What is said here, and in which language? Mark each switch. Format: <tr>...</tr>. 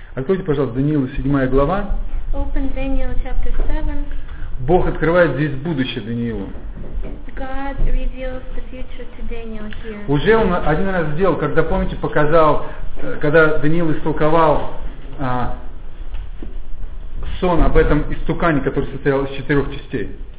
<ru>Откройте, пожалуйста, Даниила 7 глава.</ru> <en>Open Daniel chapter 7.</en> <ru>Бог открывает здесь будущее Даниилу.</ru> <en>God reveals the future to Daniel here.</en> <ru>Уже он один раз сделал, когда, помните, показал, когда Даниил истолковал сон об этом истукане, который состоял из четырех частей.</ru>